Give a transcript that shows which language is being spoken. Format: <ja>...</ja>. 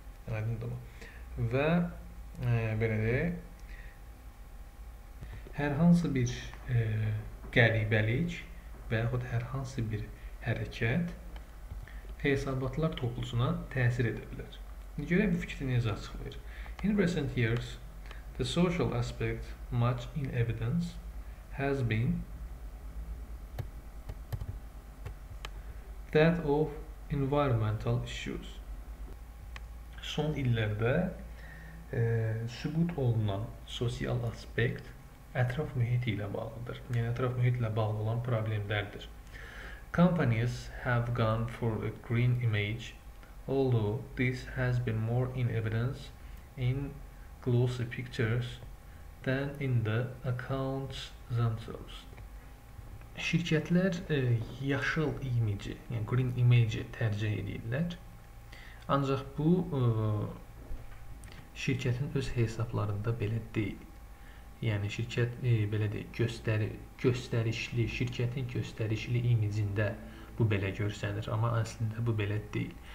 <az>Aydındır mı? Və belə deyək, hər hansı bir qəribəlik və yaxud hər hansı bir hərəkət hesabatlar toplusuna təsir edə bilər. Görək bu fikri necə açıqlayır?</az> <en>In recent years, the social aspect, much in evidence, has been that of environmental issues.</en> <az>Son illərdə sübut olunan sosial aspekt ətraf mühit ilə bağlıdır. Yəni, ətraf mühit ilə bağlı olan problemlərdir.</az> <en>Companies have gone for a green image, although this has been more in evidence in glossy pictures than in the accounts themselves.</en> <az>Şirkətlər yaşıl imici, yəni</az> <en>green image</en> <az>tərcih edirlər. Ancaq bu şirkətin öz hesablarında belə deyil. Yəni şirkət belə deyil, göstərişli, şirkətin göstərişli imicində bu belə görsənir, amma əslində bu belə deyil.</az>